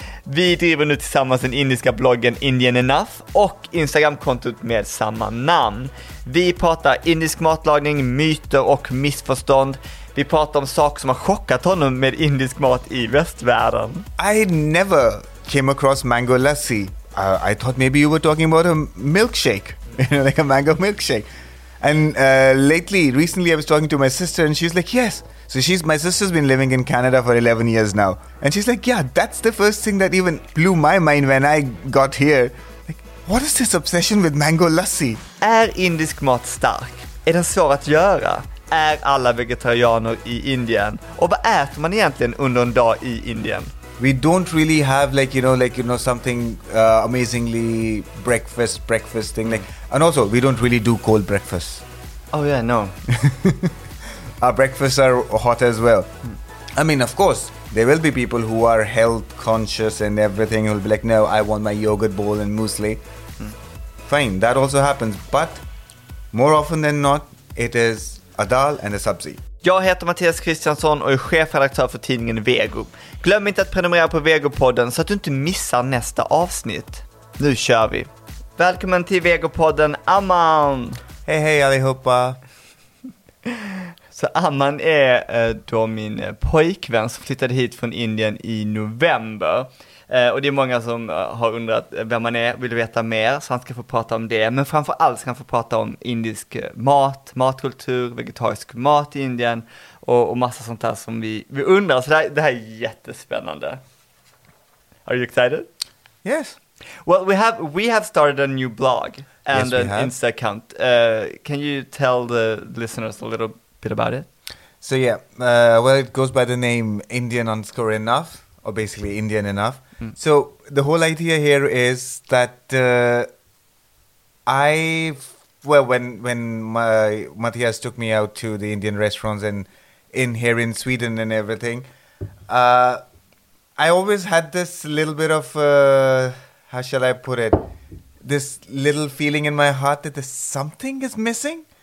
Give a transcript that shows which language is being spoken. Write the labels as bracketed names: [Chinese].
[Swedish] Vi driver nu tillsammans den indiska bloggen Indian Enough och Instagramkontot med samma namn. Vi pratar indisk matlagning, myter och missförstånd. Vi pratar om saker som har chockat honom med indisk mat i västvärlden. [English] I never came across mango lassi. I thought maybe you were talking about a milkshake, you know, like a mango milkshake. And recently I was talking to my sister and she's like, yes. So my sister's been living in Canada for 11 years now. And she's like, yeah, that's the first thing that even blew my mind when I got here. Like, what is this obsession with mango lassi? [Swedish] Är indisk mat stark? Är den svår att göra? Är alla vegetarianer i Indien? Och vad äter man egentligen under en dag i Indien? [English] We don't really have like you know something amazingly breakfast thing. Like, and also, we don't really do cold breakfast. Oh yeah, no. Our breakfasts are hot as well. I mean, of course, there will be people who are health conscious and everything who'll be like, no, I want my yogurt bowl and muesli. Fine, that also happens. But more often than not, it is a dal and a sabzi. [Swedish] Jag heter Mattias Kristiansson och är chefredaktör för tidningen Vego. Glöm inte att prenumerera på Vegopodden så att du inte missar nästa avsnitt. Nu kör vi. Välkommen till Vegopodden, Amman. Hej, hej allihopa. Så Amman är då min pojkvän som flyttade hit från Indien i november. Och det är många som har undrat vem man är, vill veta mer, så han ska få prata om det. Men framför allt ska han få prata om indisk mat, matkultur, vegetarisk mat i Indien och massa sånt här som vi undrar. Så det här är jättespännande. [English] Are you excited? Yes. Well, we have started a new blog and yes, an Insta account. Can you tell the listeners a little bit about it? So yeah, well, it goes by the name Indian_enough. Or basically Indian enough. Mm. So the whole idea here is that when Matthias took me out to the Indian restaurants and in here in Sweden and everything, I always had this little bit of, how shall I put it, this little feeling in my heart that there's something is missing.